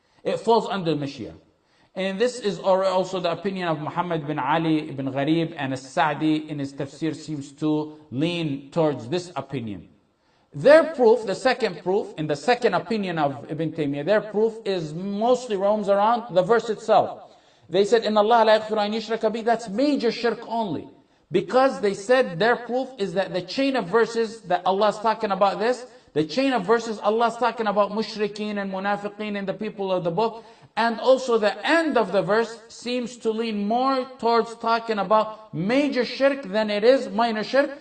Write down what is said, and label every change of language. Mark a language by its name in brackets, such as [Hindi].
[English] It falls under Mashiach. And this is also the opinion of Muhammad bin Ali ibn Gharib, and As-Sa'di in his tafsir seems to lean towards this opinion. Their proof, the second proof, in the second opinion of Ibn Taymiyyah, their proof is mostly roams around the verse itself. They said, [Arabic] إِنَّ اللَّهَ لَا يَغْفِرُ أَنْ يُشْرَكَ بِهِ, [English] that's major shirk only. Because they said their proof is that the chain of verses that Allah's talking about this, the chain of verses Allah's talking about mushrikeen and munafiqeen and the people of the book, and also the end of the verse seems to lean more towards talking about major shirk than it is minor shirk.